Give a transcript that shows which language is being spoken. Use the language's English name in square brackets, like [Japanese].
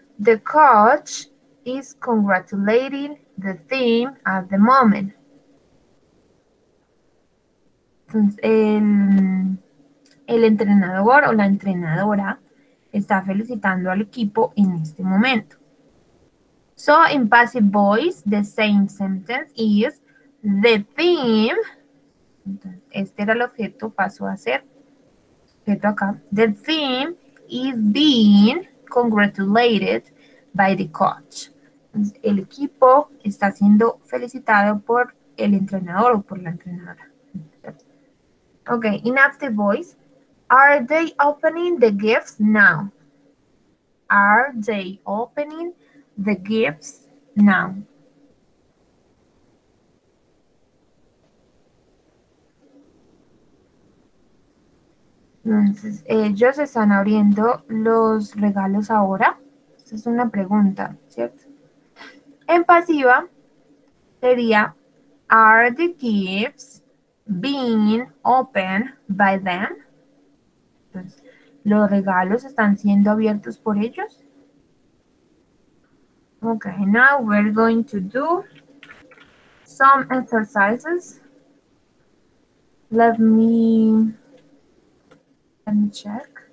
[English] The coach is congratulating the team at the moment. [Spanish] Entonces, el entrenador o la entrenadora está felicitando al equipo en este momento. [English] So, in passive voice, the same sentence is the team. [Spanish] Este era el objeto, pasó a ser objeto acá. [English] The team is being congratulated by the coach. [Spanish] El equipo está siendo felicitado por el entrenador o por la entrenadora. [English] Ok, in active voice, are they opening the gifts now? Are they opening the gifts now? [Spanish] Entonces, ellos están abriendo los regalos ahora. Esa es una pregunta, ¿cierto? En pasiva sería, [English] are the gifts being opened by them? [Spanish] Entonces, ¿los regalos están siendo abiertos por ellos? [English] Ok, now we're going to do some exercises. Let me check.